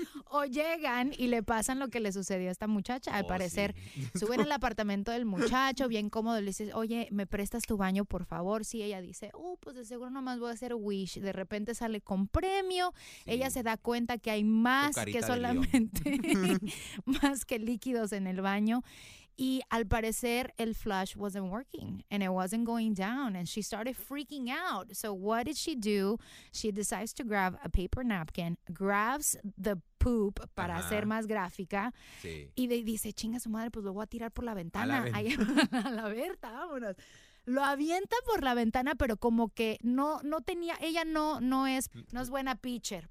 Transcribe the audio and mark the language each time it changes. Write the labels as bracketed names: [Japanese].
[Spanish] O llegan y le pasan lo que le sucedió a esta muchacha. Al parecer, sí. Suben al apartamento del muchacho, bien cómodo, le dices, oye, ¿me prestas tu baño, por favor? Sí, ella dice, pues de seguro nomás voy a hacer wish. De repente sale con premio, sí. Ella se da cuenta que hay más que solamente más que líquidos en el baño. Y al parecer, [English] el flush wasn't working, and it wasn't going down, and she started freaking out. So what did she do? She decides to grab a paper napkin, grabs the poop, [Spanish] para hacer más gráfica, sí. Y dice, chinga su madre, pues lo voy a tirar por la ventana. A la Berta, vámonos. Lo avienta por la ventana, pero como que no tenía, ella no es buena pitcher.